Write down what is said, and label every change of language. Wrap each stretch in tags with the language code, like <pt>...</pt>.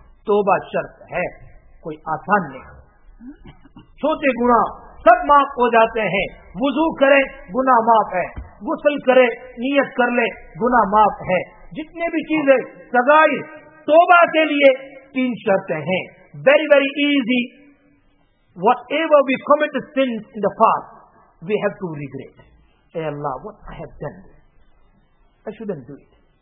<ur>توبہ شرط ہے, کوئی آسان نہیں. چھوٹے گناہ سب معاف ہو جاتے ہیں. وضو کرے گناہ معاف ہے, غسل کرے, نیت کر لے گناہ معاف ہے. جتنے بھی چیزیں صغائر, توبہ کے لیے تین شرطیں ہیں.</ur> <en>Very very easy. Whatever we commit sin in the past we have to regret. Ay Allah, what I have done, I shouldn't do it.</en>